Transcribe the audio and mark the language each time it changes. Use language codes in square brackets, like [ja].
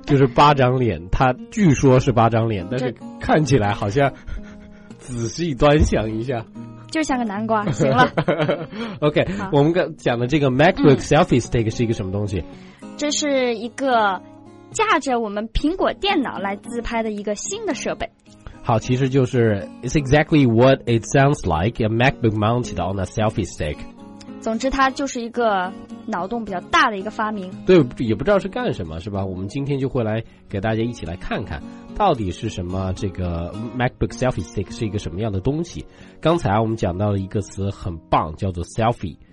[zh] 就是巴掌脸，它据说是巴掌脸，但是看起来好像仔细端详一下。就像个南瓜，行了。 OK， 我们刚讲的这个 MacBook Selfie Stick 是一个什么东西？这是一个架着我们苹果电脑来自拍的一个新的设备。好，其实就是 [en] It's exactly what it sounds like, a MacBook mounted on a selfie stick。 [zh] 总之，它就是一个脑洞比较大的一个发明。对，也不知道是干什么，是吧？我们今天就会来给大家一起来看看，到底是什么这个 MacBook Selfie Stick 是一个什么样的东西。刚才我们讲到了一个词很棒，叫做 selfie。